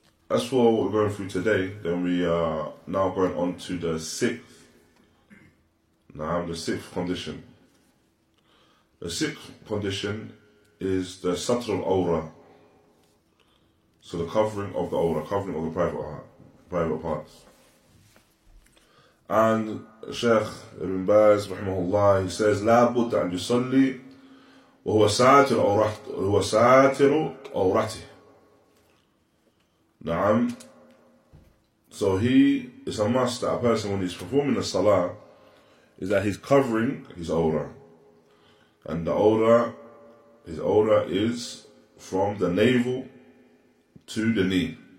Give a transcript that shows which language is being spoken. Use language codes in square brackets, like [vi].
[en] As for what we're going through today, then we are now going on to the sixth. Naam, the sixth condition. The sixth condition is the satr al-awra. So the covering of the awra, covering of the private parts. And Shaykh Ibn Baz, rahimahullah, he says, [ar] لا بد أن يصلي وهو ساتر أورته. نعم. [en] So he is a must that a person when he's performing the salah is that he's covering his awra. And the awra, his awra is from the navel to the knee.